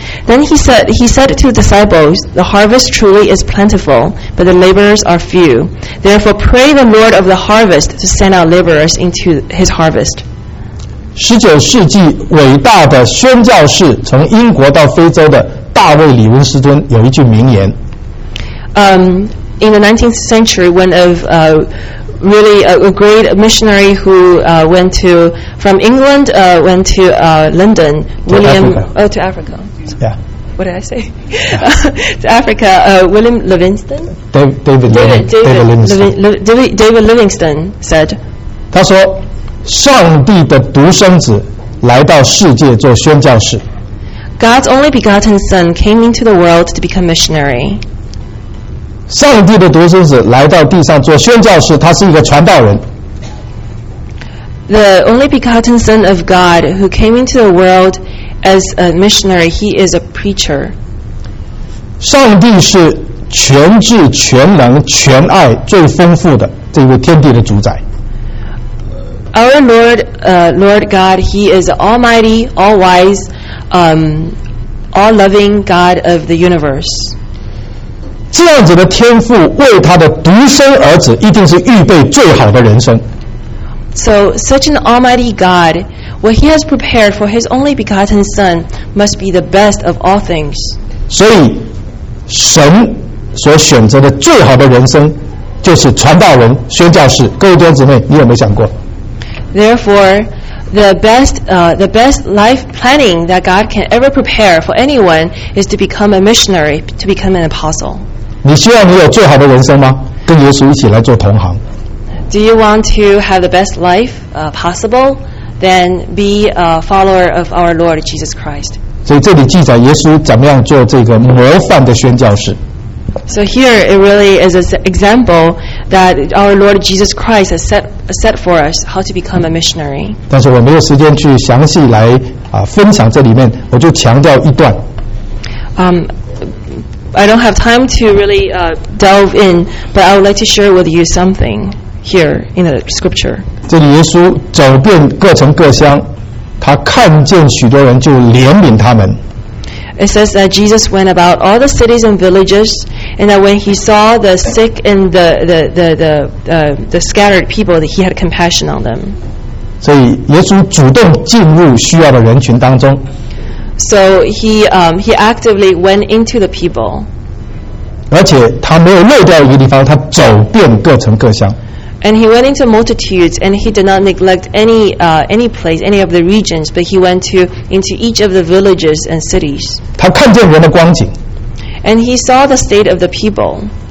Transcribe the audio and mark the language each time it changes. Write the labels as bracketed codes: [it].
[en] Then he said to the disciples, The harvest truly is plentiful, but the laborers are few. Therefore pray the Lord of the harvest to send out laborers into his harvest. [zh] 十九世纪伟大的宣教士，从英国到非洲的大卫·李文斯敦有一句名言。 [en] In the 19th century, one of really a great missionary who went to from England went to London, William. Oh, to Africa. Yeah. What did I say? to Africa, William Livingston. David Livingston said. [zh] 他说。上帝的独生子来到世界做宣教士。 [en] God's only begotten Son came into the world to become missionary. [zh] 上帝的独生子来到地上做宣教士，他是一个传道人。 [en] The only begotten Son of God who came into the world as a missionary, he is a preacher. [zh] 上帝是全智、全能、全爱最丰富的这位天地的主宰。 [en] Our Lord, Lord God, He is Almighty, All Wise, All Loving God of the Universe. [zh] 这样子的天父为他的独生儿子，一定是预备最好的人生。 [en] So, such an Almighty God, what He has prepared for His only begotten Son must be the best of all things. [zh] 所以，神所选择的最好的人生，就是传道人、宣教士。各位弟兄姊妹，你有没有想过？ [en] Therefore, the best life planning that God can ever prepare for anyone is to become a missionary, to become an apostle. [zh] 你希望你有最好的人生吗？跟耶稣一起来做同行。 [en] Do you want to have the best life possible? Then be a follower of our Lord Jesus Christ. [zh] 所以这里记载耶稣怎么样做这个模范的宣教士。 [en] So here it really is an example that our Lord Jesus Christ has set for us how to become a missionary. [zh] 但是我没有时间去详细来分享这里面，我就强调一段。 [en] I don't have time to really delve in, but I would like to share with you something here in the scripture. [zh] 这里耶稣走遍各城各乡，他看见许多人就怜悯他们。 [en] It says that Jesus went about all the cities and villages, and that when he saw the sick and the scattered people, that he had compassion on them. [zh] 所以耶稣主动进入需要的人群当中。 [en] So he actively went into the people. [zh] 而且他没有漏掉一个地方，他走遍各城各乡。 [en] And he went into multitudes, and he did not neglect any place, any of the regions, but he went into each of the villages and cities. [zh] 他看见人的光景。 [en] And he saw the state of the people.